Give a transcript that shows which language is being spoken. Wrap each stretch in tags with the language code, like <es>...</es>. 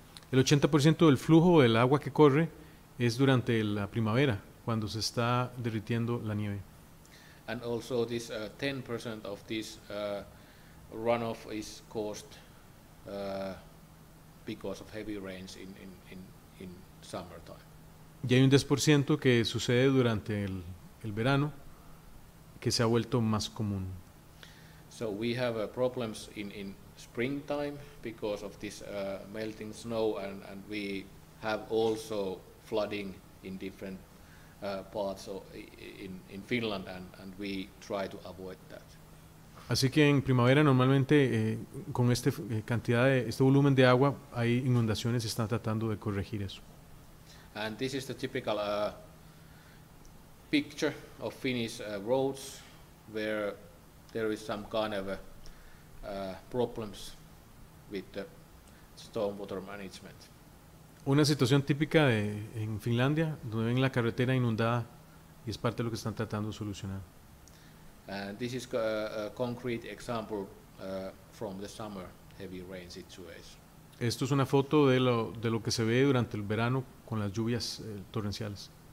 <es>El 80% del flujo del agua que corre es durante la primavera, cuando se está derritiendo la nieve.</es> <en>And also this 10% of this runoff is caused because of heavy rains in summertime.</en> <es>Y hay un 10% que sucede durante el verano, que se ha vuelto más común.</es> <en>So we have problems in springtime because of this melting snow, and we have also flooding in different parts of in Finland, and we try to avoid that.</en> <es>Así que en primavera normalmente con este cantidad de este volumen de agua hay inundaciones y están tratando de corregir eso.</es> <en>And this is the typical picture of Finnish roads where there is some kind of problems with the stormwater management.</en> <es>Una situación típica en Finlandia donde ven la carretera inundada y es parte de lo que están tratando de solucionar.</es> <en>And this is a concrete example from the summer heavy rain situation.</en> <es>Esto es una foto de lo que se ve durante el verano con las lluvias torrenciales.</es>